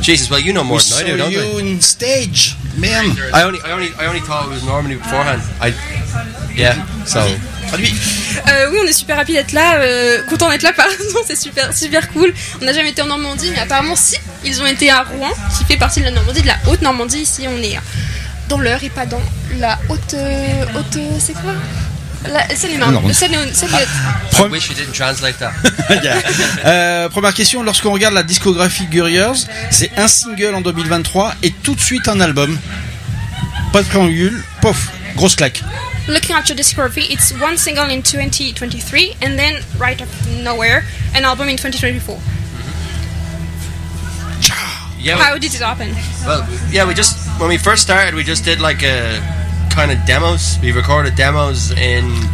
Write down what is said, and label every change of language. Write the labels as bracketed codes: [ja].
[en] Jesus, well, you know more than I do, don't you? We saw you on stage, man. I only thought it was Normandy beforehand. Yeah, so... [fr] Oui, on est super happy d'être là, content d'être là, pardon, c'est super, super cool. On n'a jamais été en Normandie, mais apparemment, si, ils ont été à Rouen, qui fait partie de la Normandie, de la Haute-Normandie. Ici, on est dans l'Eure et pas dans la Haute... c'est quoi? Seine-et-Marne. [en] I wish you didn't translate that. [fr] Première question, lorsqu'on regarde la discographie Gurriers, c'est un single en 2023 et tout de suite un album. Pas de préambule, pof, grosse claque. [en] Looking at your discography, it's one single in 2023 and then right up nowhere an album in 2024. Mm-hmm. Yeah, how did it happen? Well, yeah, we just when we first started, we just did like a kind of demos. We recorded demos in